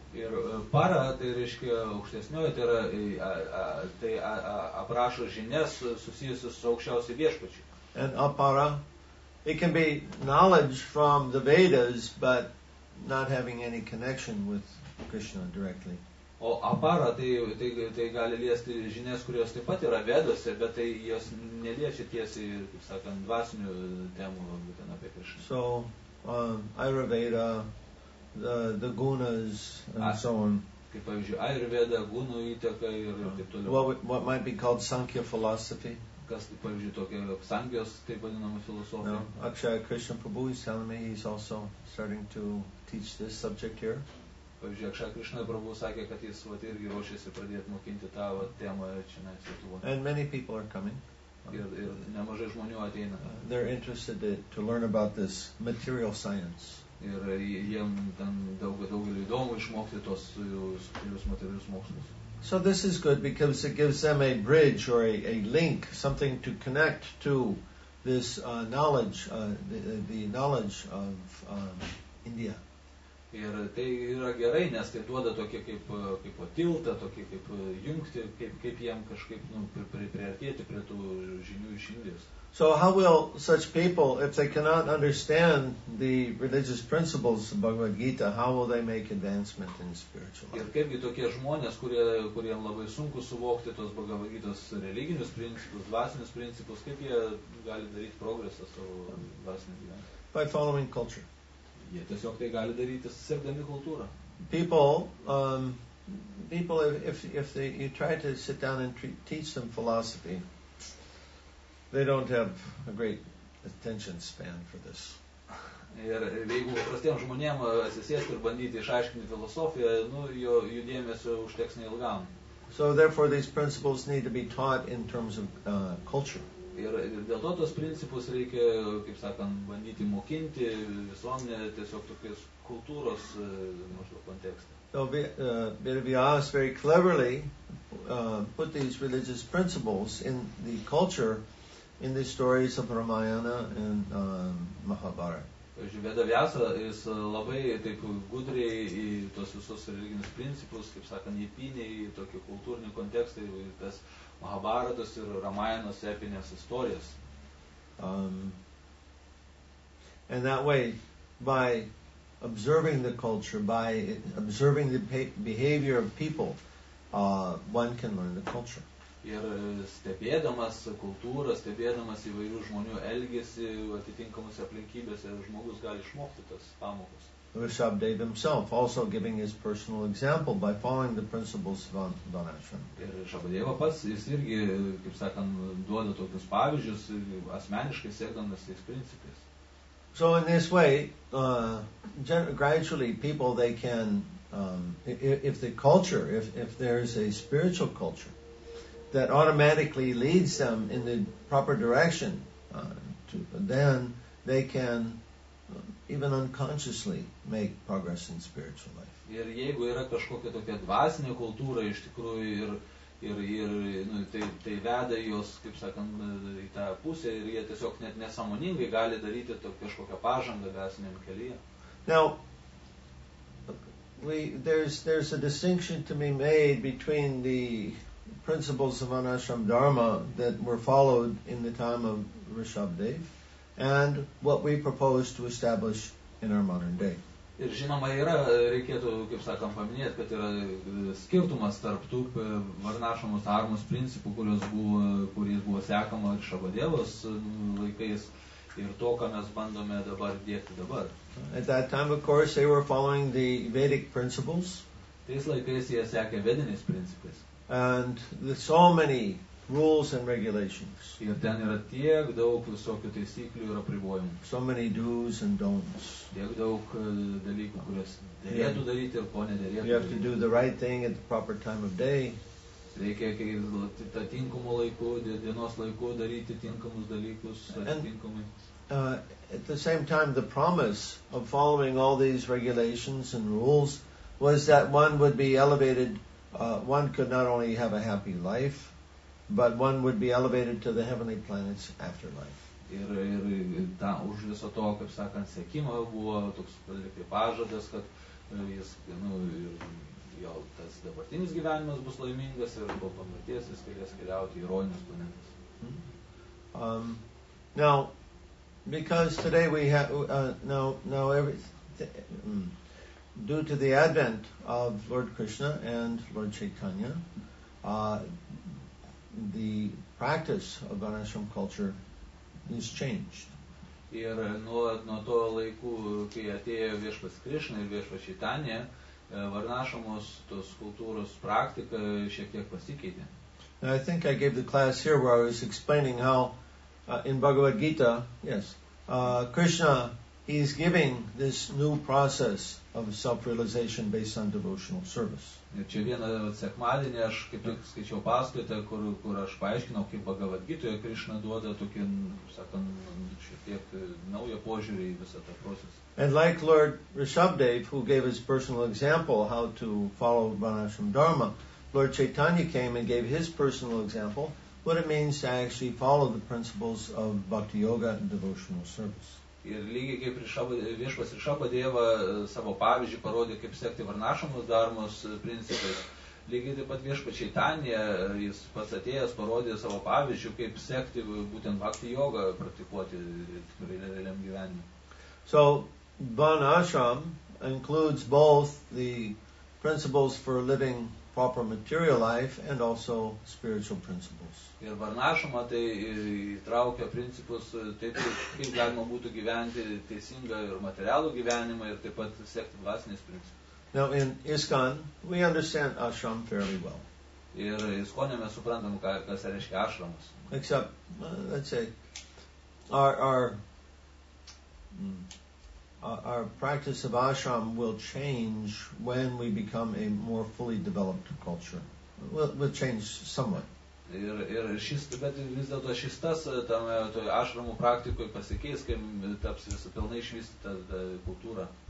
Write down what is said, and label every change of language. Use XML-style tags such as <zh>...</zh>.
<lt>Ir para, tai reiškia aukštesnioje, tai yra tai aprašo žinias susijusius su aukščiausiai viešpačiu.</lt> <en>And apara, it can be knowledge from the Vedas, but not having any connection with Krishna directly.</en> <lt>O apara, tai gali liesti žinias, kurios taip pat yra Vedose, bet tai jos neliečia tiesiai, kaip sakant, dvasinių temų būtent apie Krishna.</lt> <en>So, Ayurveda, the gunas and so on.</en> <lt>Kaip pavyzdžiui, Ayurveda, gunų įtaka ir taip toliau.</lt> <en>What might be called Sankhya philosophy.</en> <lt>Kas, pavyzdžiui, tokia Sankhyos, taip vadinama filosofija.</lt> <en>No. Akshaya Krishna Prabhu is telling me he's also starting to teach this subject here.</en> <lt>Pavyzdžiui, Akshaya Krishna Prabhu sakė, kad jis vat irgi ruošiasi pradėti mokinti tą temą čia Lietuvoje.</lt> <en>And many people are coming.</en> <lt>Ir nemažai žmonių ateina.</lt> <en>They're interested to learn about this material science.</en> <lt>Ir jiem ten daugelį įdomų išmokti tos materialius mokslus.</lt> <en>So this is good because it gives them a bridge or a link, something to connect to this knowledge, the knowledge of India.</en> <lt>Ir tai yra gerai, nes tai duoda tokį kaip tiltą, tokį kaip jungti, kaip jiem kažkaip priartėti prie tų žinių iš Indijos.</lt> <en>So how will such people, if they cannot understand the religious principles of Bhagavad Gita, how will they make advancement in spiritual life?</en> <lt>Ir kaipgi tokie žmonės, kuriem labai sunku suvokti tos Bhagavad Gitos religinius principus, dvasinius principus, kaip jie gali daryti progresą savo dvasinį gyvenimą?</lt> <en>By following culture.</en> <lt>Jie tiesiog tai gali daryti sekdami kultūrą.</lt> <en>People, if they, you try to sit down and teach them philosophy, they don't have a great attention span for this.</en> <lt>Ir jeigu prastiem žmonėm atsisėsti ir bandyti išaiškinti filosofiją, nu, jų dėmesio užteks neilgam.</lt> <en>So therefore these principles need to be taught in terms of culture.</en> <lt>Ir dėl to tos principus reikia, kaip sakant, bandyti mokinti visuomenę tiesiog tokios kultūros maždaug kontekste.</lt> <en>So Vedavyas very cleverly put these religious principles in the culture in the stories of Ramayana and Mahabharata.</en> <lt>Vedavyasa is labai taip gudriai į tos visus religinius principus, kaip sakant, įpynė į tokį kultūrinį kontekstą ir tas Mahabharatos ir Ramayanos epinės istorijos.</lt> <en>And that way, by observing the culture, by observing the behavior of people, one can learn the culture.</en> <lt>Ir stebėdamas kultūrą, stebėdamas įvairių žmonių elgesį, atitinkamose aplinkybėse, žmogus gali išmokti tas pamokas.</lt> <en>Rishabhdev himself also giving his personal example by following the principles of Donashram.</en> <lt>Ir Rishabhdeva pats, jis irgi, kaip sakant, duoda tokius pavyzdžius, asmeniškai sekdamas tais principais.</lt> <en>So in this way, gradually people, they can, if the culture, if there is a spiritual culture, that automatically leads them in the proper direction, then they can even unconsciously make progress in spiritual life.</en> <lt>Ir jeigu yra kažkokia tokia dvasinė kultūra, iš tikrųjų, ir nu, tai veda jos, kaip sakant, į tą pusę, ir jie tiesiog net nesamoningai gali daryti tokią kažkokią pažangą dvasiniam kelyje.</lt> <en>Now, there's a distinction to be made between the principles of Anashram Dharma that were followed in the time of Rishabhdev and what we propose to establish in our modern day.</en> <lt>Ir žinoma yra, reikėtų, kaip sakant, paminėti, kad yra skirtumas tarp tų Varnašamos Dharmos principų, kuris buvo sekama Rishabhadevos laikais ir to, ką mes bandome dabar dėti dabar.</lt> <en>At that time, of course, they were following the Vedic principles.</en> <lt>Tais laikais jie sekė vediniais principais.</lt> <en>And there's so many rules and regulations.</en> <lt>Ir ten yra tiek daug visokių taisyklių ir apribojimų.</lt> <en>So many do's and don'ts.</en> <lt>Tiek daug dalykų, kurias derėtų daryti ir ko nederėtų.</lt> <en>You have to do the right thing at the proper time of day.</en> <lt>Reikia kai tą tinkamų laiku, dienos laiku daryti tinkamus dalykus atitinkamai.</lt> <en>At the same time, the promise of following all these regulations and rules was that one would be elevated. One could not only have a happy life, but one would be elevated to the heavenly planets after life.</en> <lt>Ir ta, už viso to, kaip sakant, sėkimo buvo toks pažadas, kad jis, nu, jo tas dabartinis gyvenimas bus laimingas ir po pamirties jis galės keliauti į rojinius planetas.</lt> <en>Now, because today we have due to the advent of Lord Krishna and Lord Chaitanya, the practice of Varnashram culture is changed.</en> <lt>Ir nuo to laikų, kai atėjo viešpas Krishna ir viešpas Chaitanya, Varnashramos tos kultūros praktika šiek tiek pasikeitė.</lt> <en>Now, I think I gave the class here where I was explaining how in Bhagavad Gita, yes, Krishna, he is giving this new process of self-realization based on devotional service.</en> <lt>Čia vieną sekmadienį aš kaip tik skaičiau paskaitą, kur aš paaiškinau, kaip Bhagavad Gita Krishna duoda tokį, sakant, šiek tiek naują požiūrį į visą tą procesą.</lt> <en>And like Lord Rishabhdev, who gave his personal example how to follow Varnashram Dharma, Lord Chaitanya came and gave his personal example what it means to actually follow the principles of Bhakti Yoga and devotional service.</en> <lt>Ir lygiai kaip viešpas Rishabhadeva savo pavyzdžiui parodė, kaip sekti Varnašamos Dharmos principais, lygiai taip pat viešpas Chaitanya, jis pats atėjęs parodė savo pavyzdžiui, kaip sekti būtent bhakti jogą praktikuoti realiam gyvenime.</lt> <en>So, Varnashram includes both the principles for living proper material life and also spiritual principles.</en> <lt>Ir Varnašama tai įtraukia principus taip, kaip galima būtų gyventi teisingą ir materialų gyvenimą ir taip pat sekti dvasiniais principus.</lt> <en>Now in ISKCON, we understand ashram fairly well.</en> <lt>Ir ISKCON mes suprantam, kas reiškia ashramas.</lt> <en>Except, let's say, our practice of ashram will change when we become a more fully developed culture. Will change somewhat.</en> <lt>Ir šis, bet vis dėlto šis tas tame toje ashramų praktikoje pasikeis, kai taps visą pilnai išvystytą kultūrą.</lt>